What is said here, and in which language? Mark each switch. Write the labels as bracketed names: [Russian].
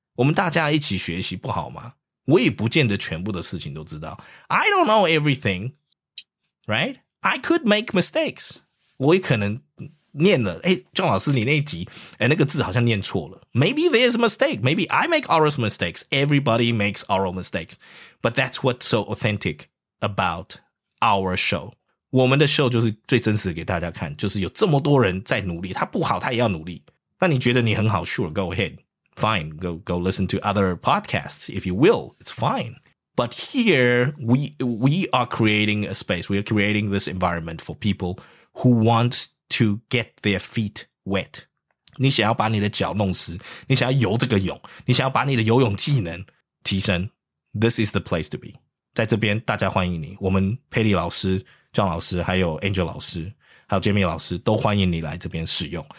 [Chinese] 我们大家一起学习不好吗？我也不见得全部的事情都知道。 [English] I don't know everything, right? I could make mistakes. [Chinese] 我也可能念了，哎，姜老师，你那一集，哎，那个字好像念错了。 [English] Maybe there's a mistake. Maybe I make oral mistakes. Everybody makes oral mistakes. But that's what's so authentic about our show. [Chinese] 我们的 show 就是最真实的给大家看，就是有这么多人在努力，他不好他也要努力。那你觉得你很好 ？ [English] Sure, go ahead. Fine, go listen to other podcasts if you will. It's fine. But here we are creating a space. We are creating this environment for people who want. To get their feet wet. [Chinese] 你想要把你的脚弄湿，你想要游这个泳，你想要把你的游泳技能提升。 [English] This is the place to be. [Chinese] 在这边大家欢迎你。我们佩莉老师、John老师、还有 Angel 老师、还有 Jamie 老师都欢迎你来这边使用。